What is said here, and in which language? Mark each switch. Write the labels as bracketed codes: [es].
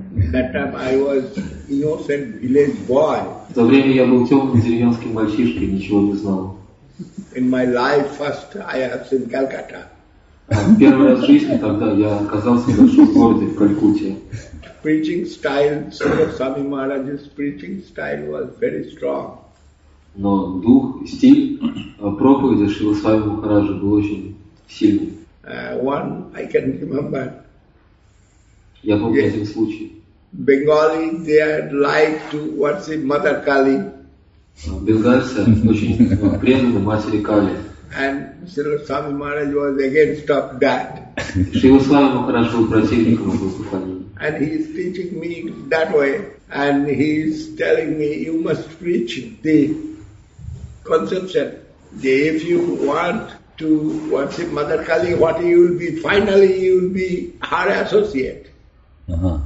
[en] That time I was innocent village boy. [ru] В то время я был темным деревенским мальчишкой, ничего не знал. [en] In my life, first I have seen Calcutta. [ru] Первый раз в жизни тогда я оказался в большом городе в Калькутте. [en] Preaching style, Swami Maharaj's preaching style was very strong. [ru] Но дух, стиль проповеди Шрила Свами Махараджа был очень сильный. [en] One I can remember. [ru] Я помню один случай. [en] Bengali, they like to worship Mother Kali. [ru] Bengalis очень преданы матери Кали. [en] And Srila Swami Maharaj was against of that. [ru] Шрила Свами Махарадж был противником Прабхупады. [en] And he is teaching me that way, and he is telling me you must preach the conception. If you want to worship Mother Kali, what you will be? Finally, you will be her associate. Uh-huh.